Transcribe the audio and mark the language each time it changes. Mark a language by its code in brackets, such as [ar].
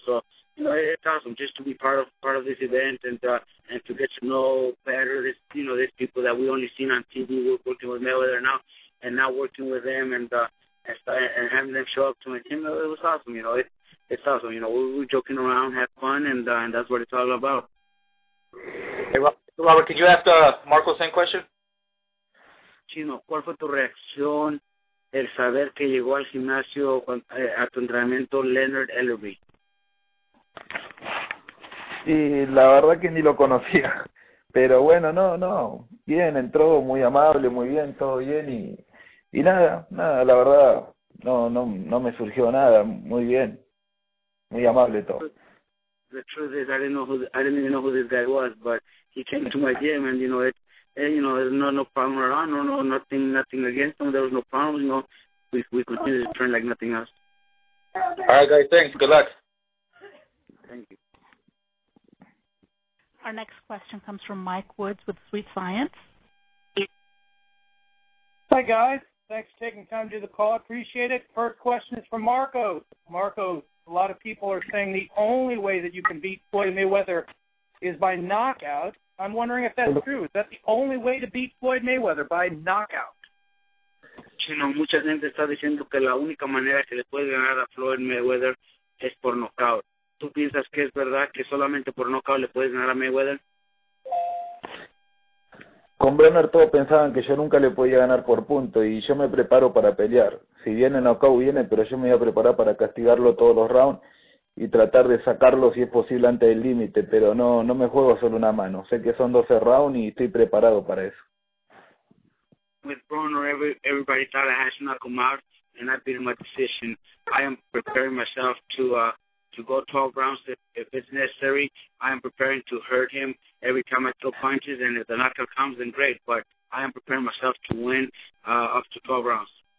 [en] So, you know, it's awesome just to be part of this event and to get to know better this, you know, these people that we only seen on TV. We're working with Mayweather now, and now working with them and having them show up to my team. It was awesome, you know. It's awesome, you know. We're joking around, have fun, and that's what it's all about. Hey, Robert, could you ask Marco the same question? [es] Chino, ¿cuál fue tu reacción el saber que llegó al gimnasio a tu entrenamiento Leonard Ellerby? Y la verdad que ni lo conocía, pero bueno, no, bien, entró muy amable, muy bien, todo bien, y nada, la verdad, no me surgió nada, muy bien, muy amable todo. [en] The truth is, I didn't even know who this guy was, but he came to my gym, and you know, there's no problem at all, nothing against him, there was no problem, you know, we continued to train like nothing else. All right, guys, thanks, good luck. Thank you. Our next question comes from Mike Woods with Sweet Science. Hi, guys. Thanks for taking time to do the call. Appreciate it. First question is from Marcos. Marcos, a lot of people are saying the only way that you can beat Floyd Mayweather is by knockout. I'm wondering if that's true. Is that the only way to beat Floyd Mayweather, by knockout? [es] Chino, mucha gente está diciendo que la única manera que le puede ganar a Floyd Mayweather es por knockout. ¿Tú piensas que es verdad que solamente por knockout le puedes ganar a Mayweather? Con Bronner todos pensaban que yo nunca le podía ganar por punto y yo me preparo para pelear. Si viene knockout, viene, pero yo me voy a preparar para castigarlo todos los rounds y tratar de sacarlo si es posible antes del límite, pero no me juego solo una mano. Sé que son 12 rounds y estoy preparado para eso. [en] With Bronner, everybody thought I had to knock him out and I beat my decision. I am preparing myself to go 12 rounds if it's necessary. I am preparing to hurt him every time I throw punches, and if the knockout comes, then great. But I am preparing myself to win up to 12 rounds.